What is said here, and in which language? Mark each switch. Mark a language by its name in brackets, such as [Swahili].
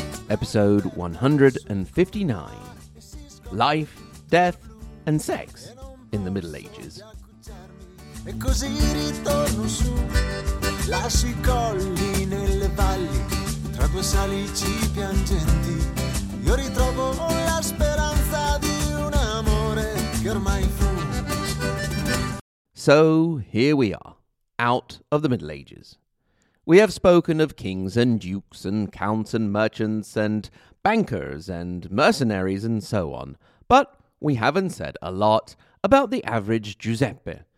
[English] Episode 159. Life, Death, and Sex in the Middle Ages. [Italian] E così ritorno su, lascio I colli nelle valli, tra due salici piangenti, io ritrovo la speranza di un amore che ormai fu. [English] So here we are, out of the Middle Ages. We have spoken of kings and dukes and counts and merchants and bankers and mercenaries and so on, but we haven't said a lot about the average Giuseppe.